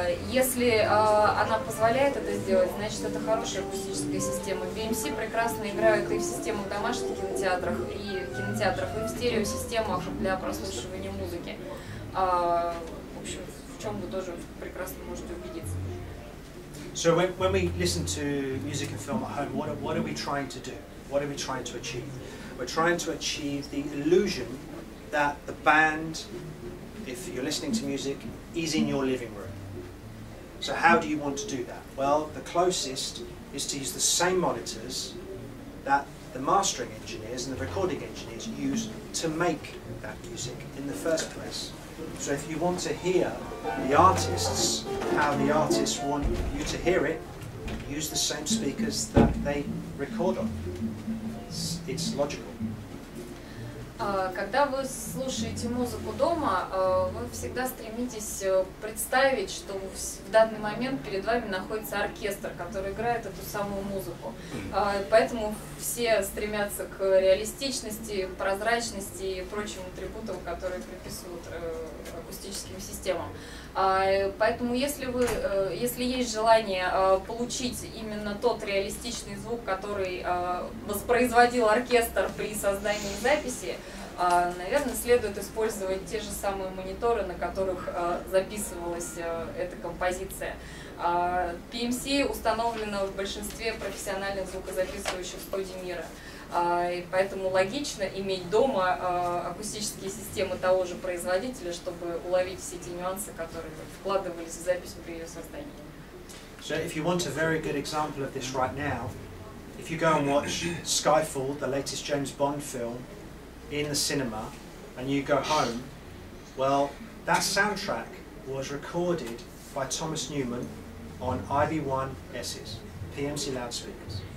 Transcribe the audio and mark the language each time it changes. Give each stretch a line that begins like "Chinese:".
Russian: Если она позволяет это сделать, значит, это хорошая акустическая система. BMC прекрасно играют и в системах домашних кинотеатрах, и кинотеатрах, и в стереосистемах для прослушивания музыки. В общем, в чем вы тоже прекрасно можете убедиться.
English: So when we listen to music and film at home, what are we trying to do? What are we trying to achieve? We're trying to achieve the illusion that the band, if you're listening to music, is in your living room. So how do you want to do that? Well, the closest is to use the same monitors that the mastering engineers and the recording engineers use to make that music in the first place. So if you want to hear the artists, how the artists want you to hear it, use the same speakers that they record on. It's logical.
Russian: Когда вы слушаете музыку дома, вы всегда стремитесь представить, что в данный момент перед вами находится оркестр, который играет эту самую музыку. Поэтому все стремятся к реалистичности, прозрачности и прочим атрибутам, которые приписывают акустическим системам. Поэтому если есть желание получить именно тот реалистичный звук, который воспроизводил оркестр при создании записи, наверное, следует использовать те же самые мониторы, на которых записывалась эта композиция. PMC установлена в большинстве профессиональных звукозаписывающих студий мира. И поэтому логично иметь дома акустические системы того же производителя, чтобы уловить все те нюансы, которые вкладывались в запись при ее создании.
English: So if you want a very good example of this right now, if you go and watch Skyfall, the latest James Bond film, in the cinema, and you go home, well, that soundtrack was recorded by Thomas Newman on IB1S's, PMC loudspeakers.